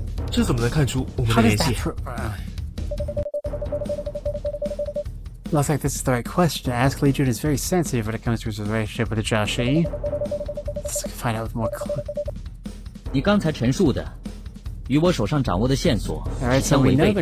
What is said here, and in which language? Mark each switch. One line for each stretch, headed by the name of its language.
Chinese: 这怎么能看出我们的联系
English: Looks like this is the right question to ask. Lee Jun is very sensitive when it comes to his relationship with Joshi. Let's find out with more clue.
Chinese: 你刚才陈述的与我手上掌握的线索是相违背的